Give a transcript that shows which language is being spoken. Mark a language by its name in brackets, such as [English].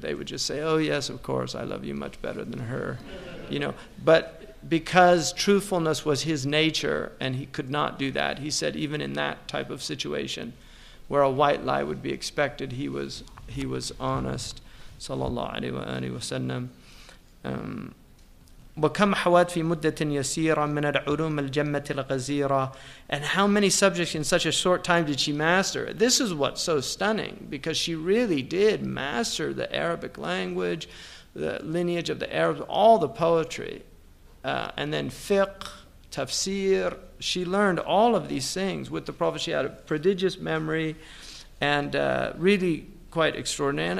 [English] They would just say, oh, yes, of course, I love you much better than her, you know. But because truthfulness was his nature and he could not do that, he said even in that type of situation where a white lie would be expected, he was honest. Sallallahu alayhi wa sallam. [Arabic] وكم حوات في مدة يسيرة من العلوم الجمة الغزيرة. [English] And how many subjects in such a short time did she master? This is what's so stunning, because she really did master the Arabic language, the lineage of the Arabs, all the poetry, and then fiqh, tafsir. She learned all of these things with the Prophet. She had a prodigious memory and really quite extraordinary.